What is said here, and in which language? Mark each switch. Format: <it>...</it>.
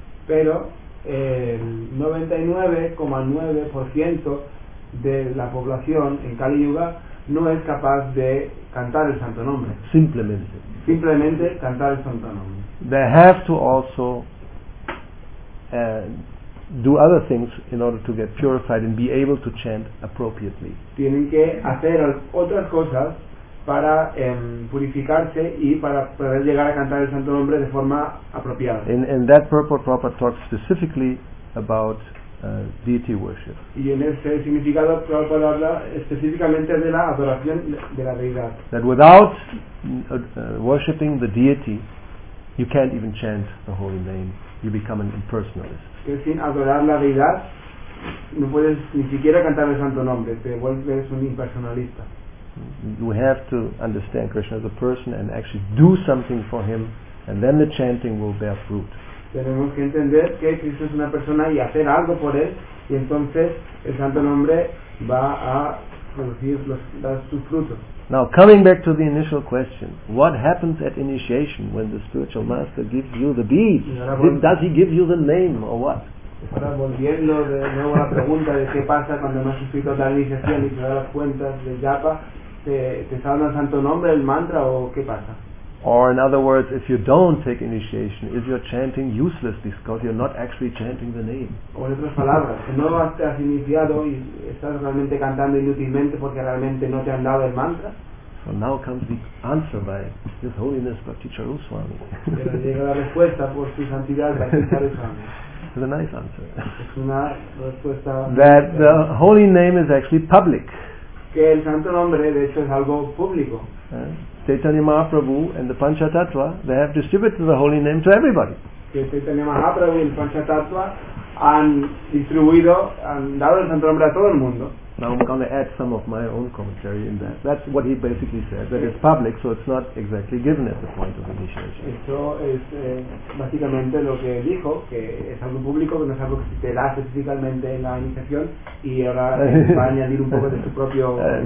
<es>Pero el 99.9% de la población en Kali Yuga no es capaz de cantar el santo nombre. Simplemente cantar el santo nombre.</es> <en>They have to also do other things in order to get purified and be able to chant appropriately.</en> <es>Tienen que hacer otras cosas para purificarse y para poder llegar a cantar el santo nombre de forma apropiada.</es> <en>And that purport Prabhupada talks specifically about deity worship.</en> <es>Y en ese significado Prabhupada habla específicamente de la adoración de la deidad.</es> <en>That without worshipping the deity, you can't even chant the holy name. You become an impersonalist.</en> <es>Que sin adorar la deidad no puedes ni siquiera cantar el santo nombre. Te vuelves un impersonalista.</es> <en>You have to understand Krishna as a person and actually do something for him, and then the chanting will bear fruit.</en> <es>Tenemos que entender que Cristo es una persona y hacer algo por él, y entonces el santo nombre va a producir sus frutos.</es> <en>Now, coming back to the initial question, what happens at initiation when the spiritual master gives you the beads? Does he give you the name or what?</en> <es>Ahora volviendo de nuevo a la pregunta de qué pasa cuando el maestro espiritual da la iniciación y te da las cuentas de japa, te salva el santo nombre, el mantra, o qué pasa.</es> <en>Or in other words, if you don't take initiation, is your chanting useless because you're not actually chanting the name?</en> <es>O en otras palabras, si no te has iniciado y estás realmente cantando inútilmente porque realmente no te han dado el mantra.</es> <en>So now comes the answer by His Holiness Bhakti Charuswami.</en> <es>Pero llega la respuesta por Su Santidad Bhakti Charuswami.</es> <en>It's a nice answer. That the holy name is actually public.</en> <es>Que el santo nombre de hecho es algo público.</es> <en>Chaitanya Mahaprabhu and the Panchatattva, they have distributed the holy name to everybody.</en> <es>Que Chaitanya Mahaprabhu y el Panchatattva han distribuido, han dado el santo nombre a todo el mundo.</es> <en>Now I'm going to add some of my own commentary in that. That's what he basically said, that it's public, so it's not exactly given at the point of initiation.</en> <es>Esto es básicamente lo que dijo, que es algo público, que no es algo que se da específicamente en la iniciación, y ahora va a añadir un poco de su propio</es>